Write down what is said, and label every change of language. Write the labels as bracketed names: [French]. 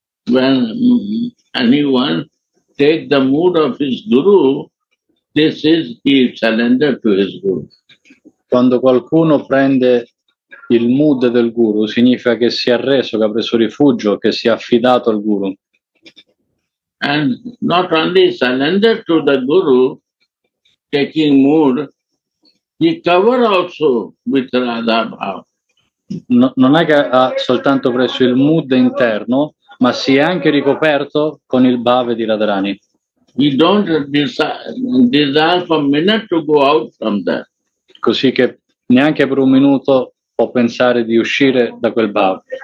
[English] When anyone take the mood of his guru, this is he surrender to his guru. [Italian] Quando qualcuno prende il mood del guru, significa che si è arreso, che ha preso rifugio, che si è affidato al guru. [English] And not only surrender to the guru, taking mood, he cover also with Radha Bhava. [Italian] Non è che ha soltanto preso il mood interno, ma si è anche ricoperto con il bhava di Radharani. [English] You don't desire for a minute to go out from there. [Italian] Così che neanche per un minuto può pensare di uscire da quel bhava.